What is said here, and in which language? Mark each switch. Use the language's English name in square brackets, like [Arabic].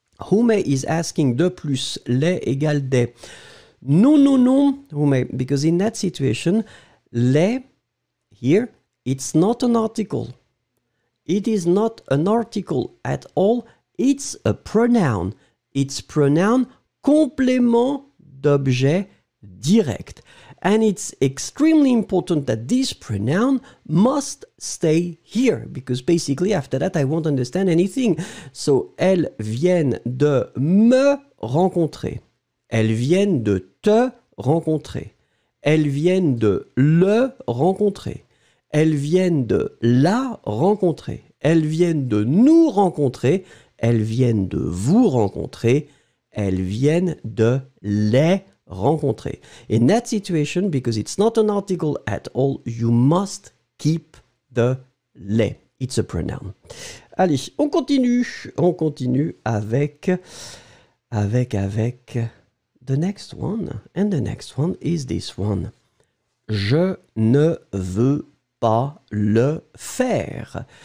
[English] Hume is asking [French] de plus les égale des. [English] Non, Hume, because in that situation, les, here, it's not an article. It is not an article at all, it's a pronoun. It's pronoun complément d'objet direct. And it's extremely important that this pronoun must stay here, because basically after that I won't understand anything. [French] So, elles viennent de me rencontrer. Elles viennent de te rencontrer. Elles viennent de le rencontrer. Elles viennent de la rencontrer. Elles viennent de nous rencontrer, elles viennent de vous rencontrer, elles viennent de les rencontrer. [English] In that situation, because it's not an article at all, you must keep the les. It's a pronoun. [French] Allez, on continue avec [English] the next one. And the next one is this one. [French] Je ne veux pas le faire.